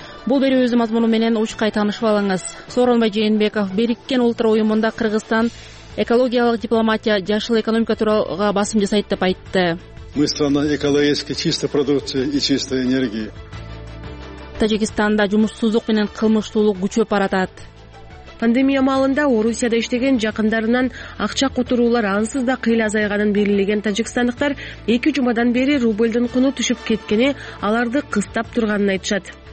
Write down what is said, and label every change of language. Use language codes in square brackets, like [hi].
[ky] Бул берүүбүз мазмуну менен учкай таанышып алыңыз. Сооронбай Жээнбеков Бириккен Улуттар Уюмунда Кыргызстан экологиялык дипломатия, жашыл экономика тууралуу басым жасайт деп айтты. [ru] Мы страна экологически чистой продукции и чистой энергии. [ky] Тажикистанда жумушсуздук менен кылмыштуулук күчөп баратат. Пандемия маалында Орусияда иштеген жакындарынан акча кутуруулар ансыз да кыйла азайганын белгилеген тажикстандыктар 2 жумадан бери рубльдун куну түшүп кеткени аларды кыстап турганын айтышат.